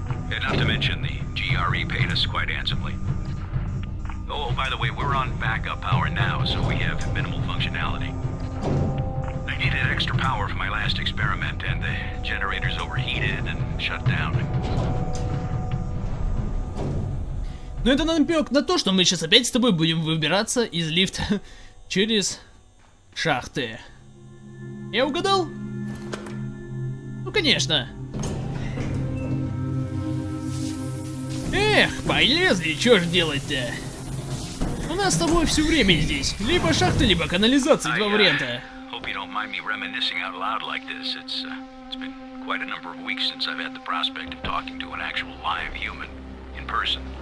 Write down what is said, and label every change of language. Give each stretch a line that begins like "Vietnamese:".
English: And not to mention, the GRE paid us quite handsomely. Oh, by the way, we're on backup power now, so we have minimal functionality. I needed extra power for my last experiment, and the generators overheated and shut down.
Russian: Ну это намек на то, что мы сейчас опять с тобой будем выбираться из лифта через шахты. Я угадал? Ну, конечно. Эх, полезли, чё ж делать-то? У нас с тобой всё время здесь. Либо шахты, либо канализация, два варианта.
English: Hope you don't mind me reminiscing out loud like this. It's been quite a number of weeks since I've had the prospect of talking to an actual live human in person.